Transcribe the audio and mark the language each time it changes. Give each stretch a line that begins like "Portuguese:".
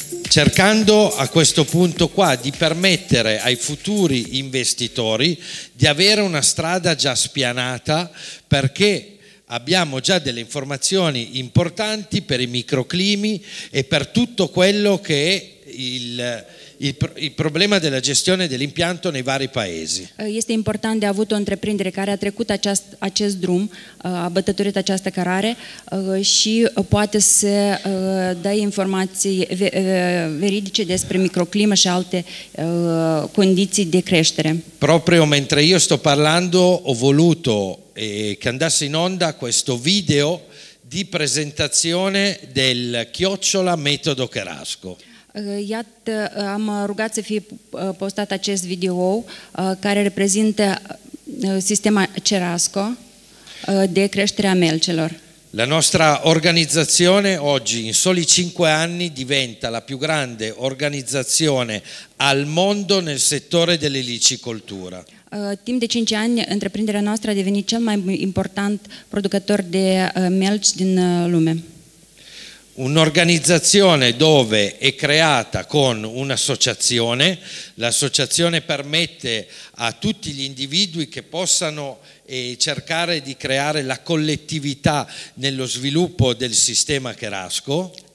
Italian: Cercando a questo punto qua di permettere ai futuri investitori di avere una strada già spianata, perché abbiamo già delle informazioni importanti per i microclimi e per tutto quello che è il problema della gestione dell'impianto nei vari paesi.
Romanian: Este important de avut o întreprindere care a trecut acest drum, a bătătorit această cărare și poate să dea informații veridice despre microclimă și alte condiții de creștere.
Italian: Proprio mentre io sto parlando ho voluto che andasse in onda questo video di presentazione del Chiocciola Metodo Cherasco.
Romanian: Iată, am rugat să fie postat acest video care reprezintă sistema Cherasco de creștere a melcelor.
Italian: La nostra organizzazione oggi in soli 5 anni diventa la più grande organizzazione al mondo nel settore dell'elicicoltura.
Romanian: Timp de 5 ani, întreprinderea noastră a devenit cel mai important producător de melci din lume.
Italian: Un'organizzazione dove è creata con un'associazione, l'associazione permette a tutti gli individui che possano cercare di creare la collettività nello sviluppo del sistema Cherasco.